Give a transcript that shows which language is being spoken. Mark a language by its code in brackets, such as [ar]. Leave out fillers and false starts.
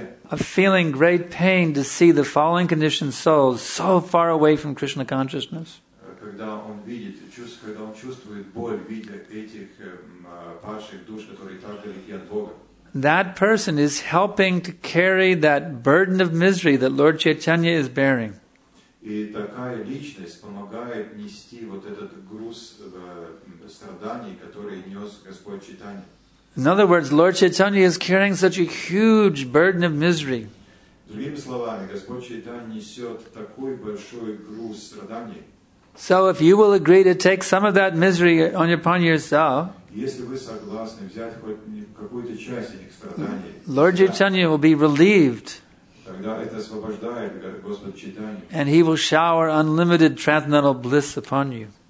[en] of feeling great pain to see the fallen conditioned souls so far away from Krishna consciousness, that person is helping to carry that burden of misery that Lord Chaitanya is bearing. [ru] И такая личность помогает нести вот этот груз страданий, который нес Господь Чайтанья. [en] In other words, Lord Chaitanya is carrying such a huge burden of misery. [ru] Другими словами, Господь Чайтанья несет такой большой груз страданий. [en] So if you will agree to take some of that misery upon yourself, [ru] если вы согласны взять хоть какую-то часть этих страданий, [en] Lord Chaitanya will be relieved. And he will shower unlimited transcendental bliss upon you.